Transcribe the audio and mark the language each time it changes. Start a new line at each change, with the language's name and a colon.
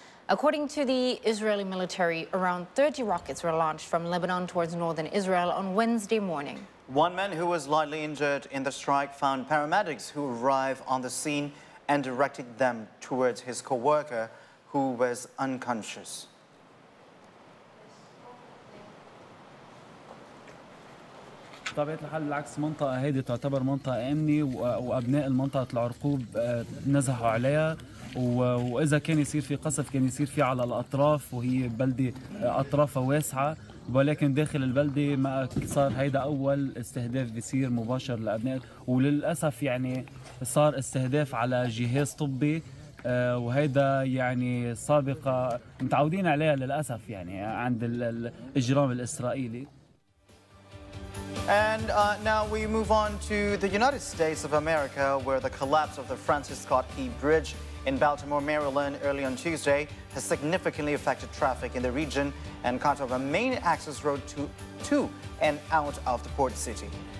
English: According to the Israeli military, around 30 rockets were launched from Lebanon towards northern Israel on Wednesday morning. One man who was lightly injured in the strike found paramedics who arrived on the scene and directed them towards his co-worker, who was unconscious.
Arabic: طبيعة الحال بالعكس منطقة هذه تعتبر منطقة أمنة وأبناء المنطقة العرقوب نزحوا عليها وإذا كان يصير في قصف كان يصير فيه على الأطراف وهي بلدة أطرافها واسعة ولكن داخل البلدة ما صار هيدا أول استهداف بيصير مباشر لأبناء وللأسف يعني صار استهداف على جهاز طبي وهيدا يعني سابقة متعودين عليها للأسف يعني عند الإجرام الإسرائيلي.
English: And now we move on to the United States of America, where the collapse of the Francis Scott Key Bridge in Baltimore, Maryland, early on Tuesday, has significantly affected traffic in the region and cut off a main access road to and out of the port city.